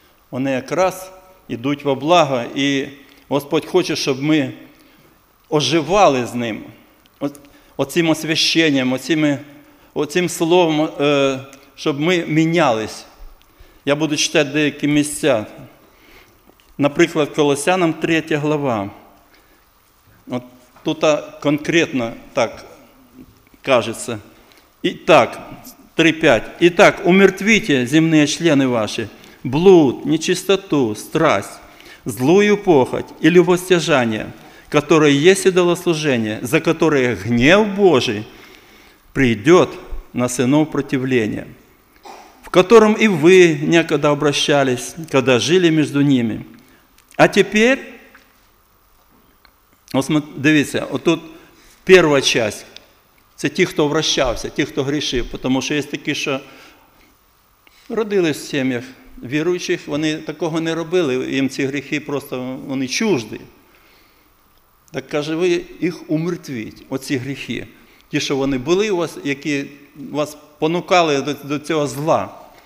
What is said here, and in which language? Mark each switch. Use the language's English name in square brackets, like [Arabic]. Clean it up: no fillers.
[Ukrainian] Вони якраз йдуть во благо, і Господь хоче, щоб ми оживали з ним. Оцим освященням, оцим словом, щоб ми мінялись. Я буду читати деякі місця. Наприклад, Колосянам 3 глава. От тут конкретно так кажеться. І так, [Russian] 3.5. Итак, умертвите земные члены ваши, блуд, нечистоту, страсть, злую похоть и любостяжание, которое есть идолослужение, за которое гнев Божий придет на сынов противления, в котором и вы некогда обращались, когда жили между ними. А теперь, смотрите, вот тут первая часть. [Ukrainian] Це ті, хто вращався, ті, хто грішив. Тому що є такі, що родились в сім'ях віруючих, вони такого не робили, їм ці гріхи просто, вони чужди. Так каже, ви їх умертвіть, оці гріхи. Ті, що вони були у вас, які вас понукали до цього зла.